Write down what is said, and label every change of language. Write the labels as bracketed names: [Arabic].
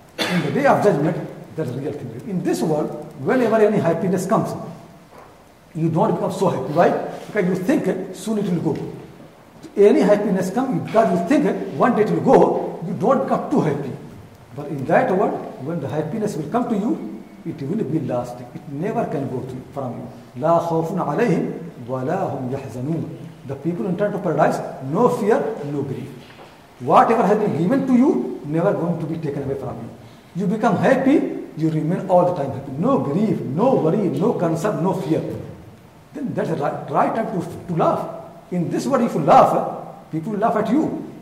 [English] In the day of judgment, that is real thing. In this world, whenever any happiness comes, you don't become so happy. Why? Because you think soon it will go. Any happiness comes, because you think one day it will go, you don't become too happy. But in that world, when the happiness will come to you, it will be lasting. It never can go from you. [Arabic] لا خوف عليهم ولا هم يحزنون. [English] The people enter into paradise, no fear, no grief. Whatever has been given to you, never going to be taken away from you. You become happy, you remain all the time happy. No grief, no worry, no concern, no fear. Then that's the right time to laugh. In this world, if you laugh, people will laugh at you.